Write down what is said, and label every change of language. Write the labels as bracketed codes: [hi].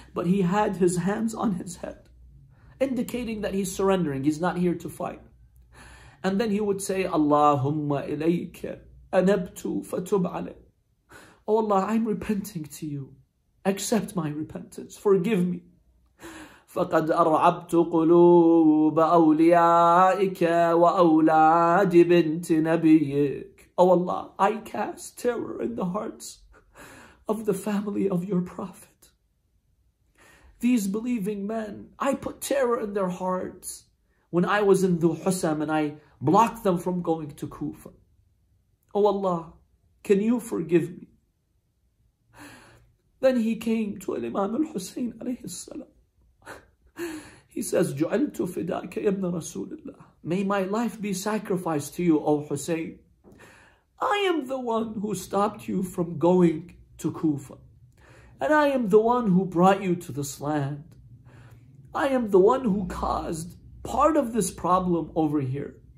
[en] But he had his hands on his head, indicating that he's surrendering. He's not here to fight. And then he would say, [ar] Allahumma ilayka anabtu fatub alay. [en] Oh Allah, I'm repenting to you. Accept my repentance. Forgive me. [ar] فقد أرعبت قلوب أوليائك وأولاد بنت نبيك. [en] Oh Allah, I cast terror in the hearts of the family of your prophet. These believing men, I put terror in their hearts when I was in the Husam and I blocked them from going to Kufa. Oh Allah, can you forgive me? Then he came to Imam al-Husayn alayhi salam. He says, [ar] جُعَلْتُ فِدَاكَ يَبْنَ رَسُولِ اللَّهِ. [en] May my life be sacrificed to you, O Hussein. I am the one who stopped you from going to Kufa. And I am the one who brought you to this land. I am the one who caused part of this problem over here.